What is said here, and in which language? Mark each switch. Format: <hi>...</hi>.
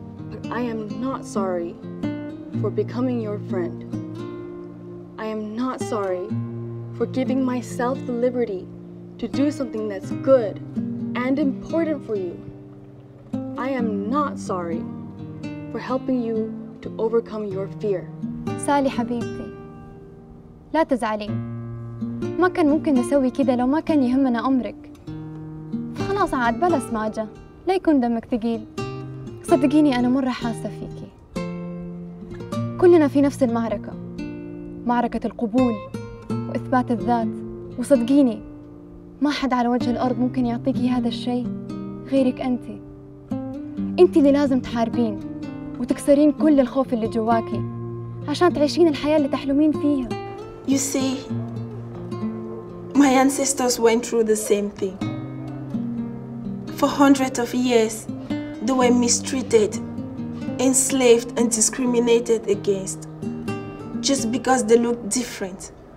<en>But I am not sorry for becoming your friend. I am not sorry for giving myself the liberty to do something that's good and important for you. I am not sorry for helping you to overcome your fear.</en> <ar>سالي حبيبتي لا تزعلي، ما كان ممكن نسوي كده لو ما كان يهمنا أمرك. خلاص عاد بلا سماجة، لا يكون دمك ثقيل. صدقيني أنا مرة حاسة فيكي. كلنا في نفس المعركة، معركة القبول وإثبات الذات، وصدقيني ما حد على وجه الأرض ممكن يعطيكي هذا الشيء غيرك أنت. أنت اللي لازم تحاربين وتكسرين كل الخوف اللي جواكي عشان تعيشين الحياة اللي تحلمين فيها.</ar> <en>You see, my ancestors went through the same thing. For hundreds of years, they were mistreated enslaved and discriminated against just because they look different.</en>